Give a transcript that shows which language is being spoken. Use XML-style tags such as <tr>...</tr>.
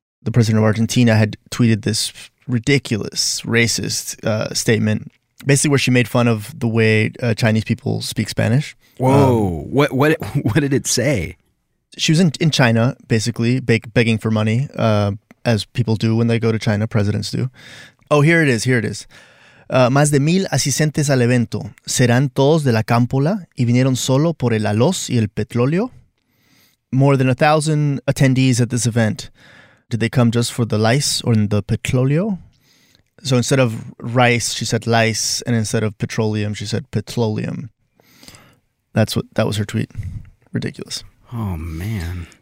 <en>The president of Argentina had tweeted this ridiculous, racist statement, basically where she made fun of the way Chinese people speak Spanish. Whoa, what did it say? She was in China, basically, begging for money, as people do when they go to China, presidents do. Oh, here it is, here it is.</en> <es>Más de 1,000 asistentes al evento serán todos de la cámpola y vinieron solo por el arroz y el petróleo.</es> <en>More than 1,000 attendees at this event. Did they come just for the lice or the petróleo? So instead of rice, she said lice, and instead of petroleum, she said petroleum. That was her tweet. Ridiculous. Oh, man.</en>